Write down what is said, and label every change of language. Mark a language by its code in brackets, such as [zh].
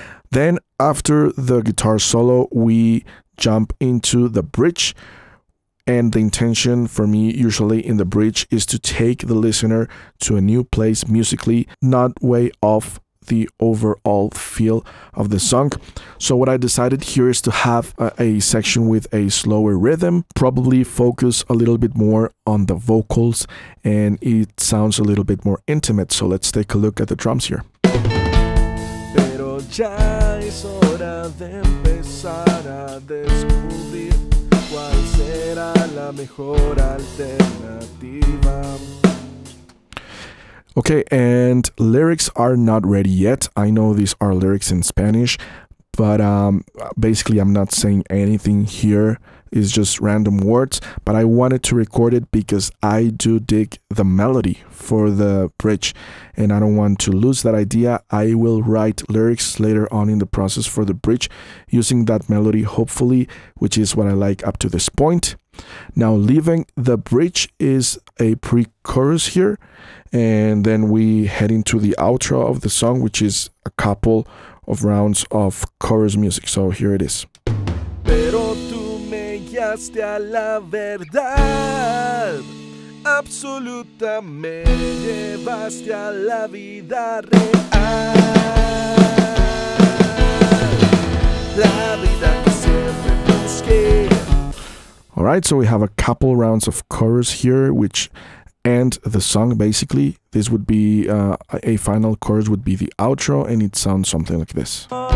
[en] Then after the guitar solo, we jump into the bridge, and the intention for me usually in the bridge is to take the listener to a new place musically, not way off the overall feel of the song. So what I decided here is to have a section with a slower rhythm, probably focus a little bit more on the vocals, and it sounds a little bit more intimate. So let's take a look at the drums here. [es] Pero ya es hora de empezar a descubrir cuál será la mejor alternativa. [en] Okay, and lyrics are not ready yet. I know these are lyrics in Spanish, but basically I'm not saying anything here. It's just random words, but I wanted to record it because I do dig the melody for the bridge, and I don't want to lose that idea. I will write lyrics later on in the process for the bridge using that melody, hopefully, which is what I like up to this point. Now, leaving the bridge is a pre-chorus here, and then we head into the outro of the song, which is a couple of rounds of chorus music. So here it is. [es] Pero tú me guiaste a la verdad, absoluta me llevaste a la vida real, la vida que siempre busqué. [en] All right, so we have a couple rounds of chorus here, which end the song, basically. This would be a final chorus, would be the outro, and it sounds something like this.